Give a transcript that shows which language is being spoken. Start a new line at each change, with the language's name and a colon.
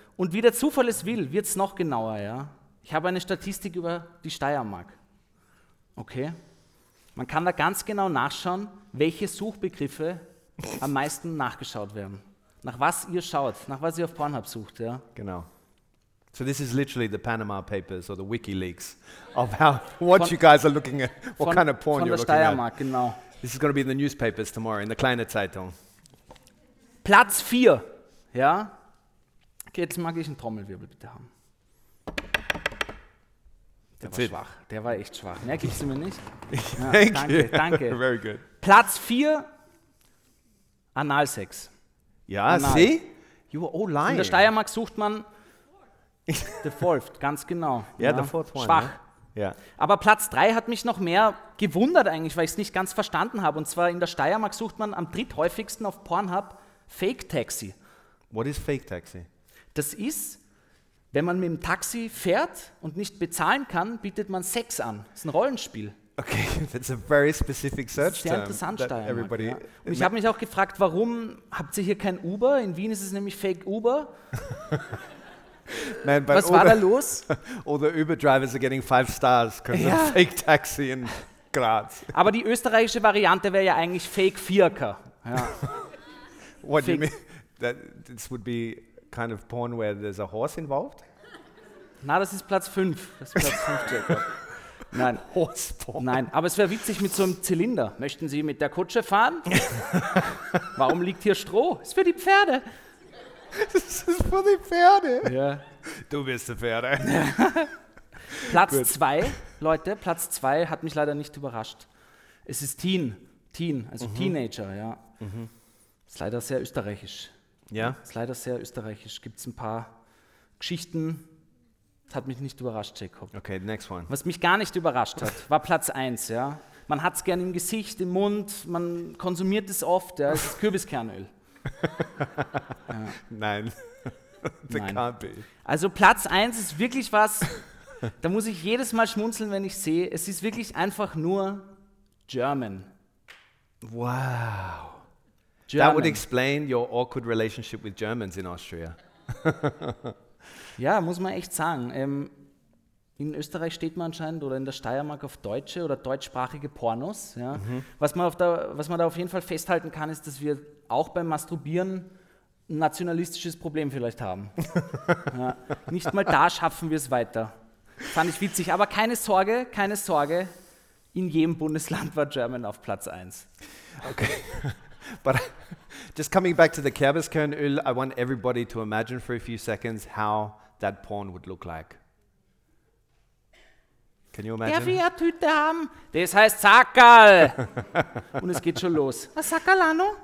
German: Und wie der Zufall es will, wird es noch genauer. Ja. Ich habe eine Statistik über die Steiermark. Okay. Man kann da ganz genau nachschauen, welche Suchbegriffe am meisten nachgeschaut werden. Nach was ihr schaut, nach was ihr auf Pornhub sucht. Ja. Genau.
English: So this is literally the Panama Papers or the WikiLeaks of how what von, you guys are looking at, what von, kind of porn you're looking
German: Steiermark,
English: at.
German: Genau.
English: This is going to be in the newspapers tomorrow, in the Kleine Zeitung.
German: Platz 4. Ja. Okay, jetzt mag ich einen Trommelwirbel bitte haben. Der That's war it. Schwach. Der war echt schwach. Merke ich sie mir nicht? Ja, danke.
English: Very good.
German: Platz 4, Analsex. Ja, Anal. See?
English: You were all lying.
German: In der Steiermark sucht man
English: the fourth,
German: ganz genau.
English: Yeah, ja, the fourth one.
German: Schwach.
English: Yeah. Yeah.
German: Aber Platz 3 hat mich noch mehr gewundert eigentlich, weil ich es nicht ganz verstanden habe. Und zwar in der Steiermark sucht man am dritthäufigsten auf Pornhub Fake Taxi.
English: What is Fake Taxi?
German: Das ist, wenn man mit dem Taxi fährt und nicht bezahlen kann, bietet man Sex an. Das ist ein Rollenspiel.
English: Okay, that's a very specific search
German: term. Sehr interessant, Steiermark. Ja. Und ich habe mich auch gefragt, warum habt ihr hier kein Uber? In Wien ist es nämlich Fake Uber. Man, was war da los?
English: All the Uber drivers are getting 5 stars because of Fake Taxi in Graz.
German: Aber die österreichische Variante wäre ja eigentlich Fake Vierker. Ja.
English: What do you mean? That this would be kind of porn where there's a horse involved?
German: Na, das ist Platz 5. Das ist Platz 5, Jacob. Nein.
English: Horse-Porn.
German: Nein, aber es wäre witzig mit so einem Zylinder. Möchten Sie mit der Kutsche fahren? Warum liegt hier Stroh? Ist für die Pferde. Das ist für die Pferde. Ja. Du bist die Pferde. Platz 2, Leute, Platz 2 hat mich leider nicht überrascht. Es ist Teen, also Teenager, ja. Mhm. Ist leider sehr österreichisch. Ja. Ist leider sehr österreichisch. Gibt es ein paar Geschichten. Das hat mich nicht überrascht, Jacob.
English: Okay, next one.
German: Was mich gar nicht überrascht hat, war Platz 1, ja. Man hat es gern im Gesicht, im Mund, man konsumiert es oft, ja. Es ist Kürbiskernöl. Ja. Nein, das kann nicht sein. Also Platz 1 ist wirklich was, da muss ich jedes Mal schmunzeln, wenn ich sehe, es ist wirklich einfach nur German.
English: Wow. German. That would explain your awkward relationship with Germans in Austria.
German: Ja, muss man echt sagen. In Österreich steht man anscheinend oder in der Steiermark auf deutsche oder deutschsprachige Pornos. Ja. Mhm. Was man da auf jeden Fall festhalten kann, ist, dass wir auch beim Masturbieren ein nationalistisches Problem vielleicht haben. Ja. Nicht mal da schaffen wir es weiter. Fand ich witzig. Aber keine Sorge, in jedem Bundesland war German auf Platz 1. Okay.
English: But just coming back to the Kürbiskernöl, I want everybody to imagine for a few seconds how that porn would look like. Can you imagine?
German: Der will eine Tüte haben. Das heißt Sackerl. Und es geht schon los. Was Sackerlano?